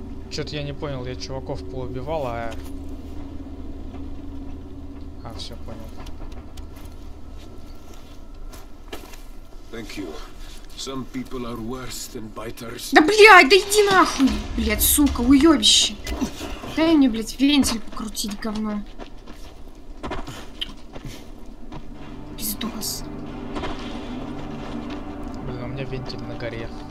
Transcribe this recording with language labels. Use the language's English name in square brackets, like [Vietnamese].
[Russian] Что-то я не понял, я чуваков поубивал, а все понял. [English] Thank you. Some people are worse than biters. [Russian] Да блядь, да иди нахуй! Блядь, сука, уёбище! Дай мне, блядь, вентиль покрутить, говно. Пиздос. Блин, у меня вентиль на горе.